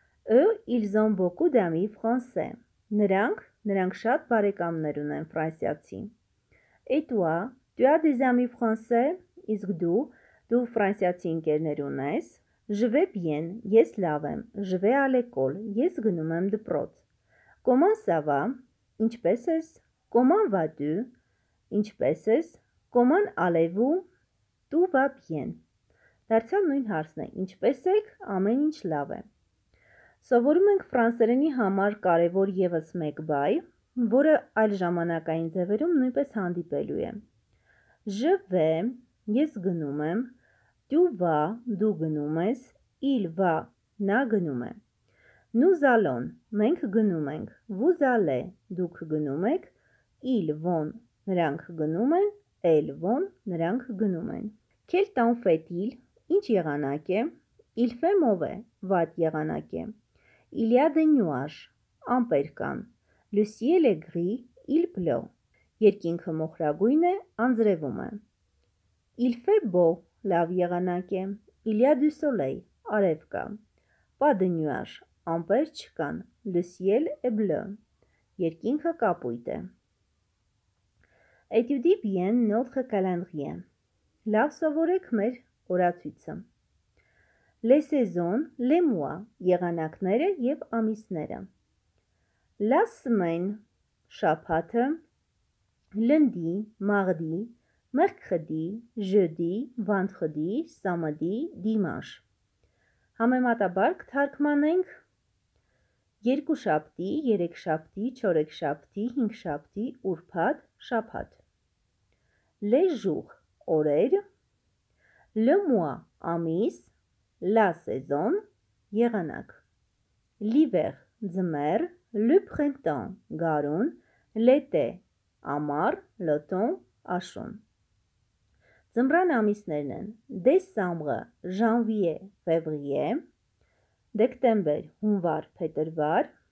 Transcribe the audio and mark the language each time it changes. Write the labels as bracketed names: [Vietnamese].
[French] Eux, ils ont beaucoup d'amis français. [Armenian] Նրանք շատ բարեկամներ ունեն ֆրանսիացի։ [French] Et toi, tu as des amis français? [Armenian] Իսկ դու ֆրանսիացի ընկերներ ունես? [French] Je vais bien, [Armenian] ես լավ եմ. [French] Je vais à l'école, [Armenian] ես գնում եմ դպրոց. [French] Comment ça va? [Armenian] Ինչպես ես? [French] Comment vas-tu? Ինչպես ես? Comment allez-vous? Tout va bien. [Armenian] Դարձյալ նույն հարցն է. Ինչպես եք? Ամեն ինչ լավ է. Սովորում ենք ֆրանսերենի համար կարևոր եւս մեկ բայ, որը այլ ժամանակային ձևերում նույնպես հանդիպելու է. [French] Je vais, [Armenian] ես գնում եմ. [French] Tu vas, [Armenian] դու գնում ես. [French] Il va, [Armenian] նա գնում է. [French] Nous allons, [Armenian] մենք գնում ենք. [French] Vous allez, [Armenian] դուք գնում եք. [French] Ils vont, [Armenian] նրանք գնում են. [French] Elles vont, [Armenian] նրանք գնում են. [French] Quel temps fait-il? [Armenian] Ինչ եղանակ է? [French] Il fait mauvais, [Armenian] վատ եղանակ է. [French] Il y a des nuages, [Armenian] ամպեր կան. [French] Le ciel est gris, il pleut. [Armenian] Երկինքը մոխրագույն է, անձրևում է. [French] Il fait beau, [Armenian] լավ եղանակ է. [French] Il y a du soleil, [Armenian] արև կա. [French] Pas de nuages, [Armenian] ամպեր չկան. [French] Le ciel est bleu. [Armenian] Երկինքը կապույտ է. [French] Étudiez bien notre calendrier. [Armenian] Լավ սովորեք մեր օրացույցը. [French] Les saisons, les mois, [Armenian] եղանակները եւ ամիսները. [French] La semaine, [Armenian] շաբաթը, [French] lundi, mardi, mercredi, jeudi, vendredi, samedi, dimanche. Համեմատաբար կթարգմանենք. Երկու շաբթի, երեք շաբթի, չորեք շաբթի, հինգ շաբթի, ուրբաթ, շաբաթ. Les jours, [Armenian] օրեր. [French] Le mois, [Armenian] ամիս. [French] La saison, [Armenian] եղանակ. [French] L'hiver, [Armenian] ձմեռ. [French] Le printemps, [Armenian] garon. [French] L'été, [Armenian] amar. [French] L'automne, [Armenian] ashun. Ձմռան ամիսներն են. [French] Décembre, janvier, février. [Armenian] Դեկտեմբեր, հունվար, փետրվար.